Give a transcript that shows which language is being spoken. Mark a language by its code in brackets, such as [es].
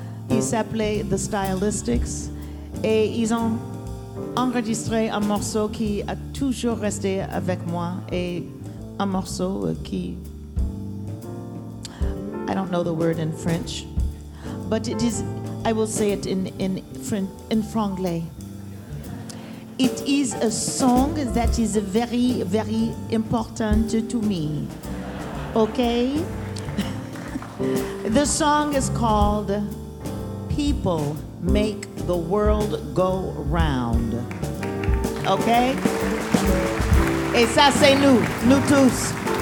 [fr] Il s'appelait The Stylistics et ils ont enregistré un morceau qui a toujours resté avec moi et un morceau qui, [en] I don't know the word in French, but it is, I will say it in franglais. It is a song that is very, very important to me. Okay? The song is called People Make the World Go Round. Okay? [fr] Et ça, c'est nous, nous tous.